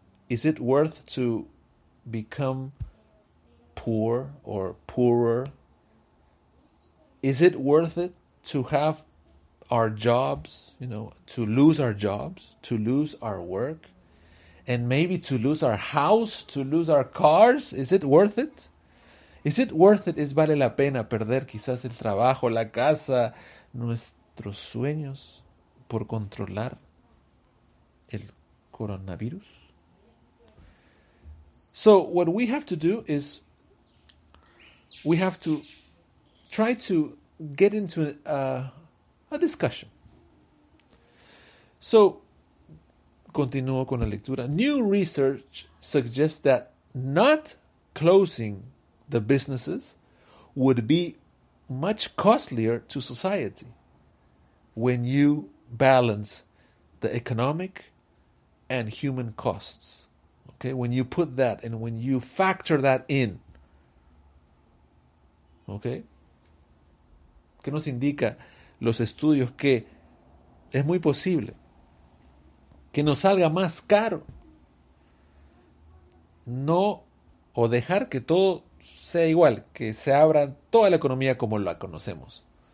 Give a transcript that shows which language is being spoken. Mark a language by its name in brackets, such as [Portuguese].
[English] Is it worth to become poor or poorer? Is it worth it to have our jobs, you know, to lose our jobs, to lose our work, and maybe to lose our house, to lose our cars? Is it worth it? Is it worth it? [Spanish] ¿Es vale la pena perder quizás el trabajo, la casa, nuestros sueños por controlar el coronavirus? [English] So what we have to do is we have to try to get into a discussion. So, [Spanish] continúo con la lectura. [English] New research suggests that not closing the businesses would be much costlier to society when you balance the economic and human costs. Okay, when you put that and when you factor that in. Okay. [Spanish] ¿Qué nos indica los estudios? Que es muy posible que nos salga más caro no o dejar que todo sea igual, que se abra toda la economía como la conocemos.